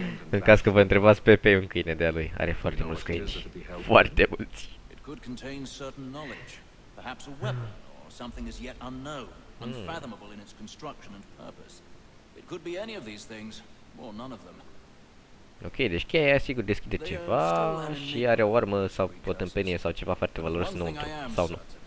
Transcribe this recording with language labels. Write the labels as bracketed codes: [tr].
[ro] În caz că vă întrebați, Pepe e un câine de-a lui. Are foarte mulți câini. Foarte mulți. [en] Could contain certain knowledge, perhaps a weapon or something as yet unknown, unfathomable in its construction and purpose. It could be any of these things or none of them. [ro] Ok, deci cheia aia sigur deschide ceva și are o armă sau o tâmpenie sau ceva foarte valoros înăuntru, sau nu.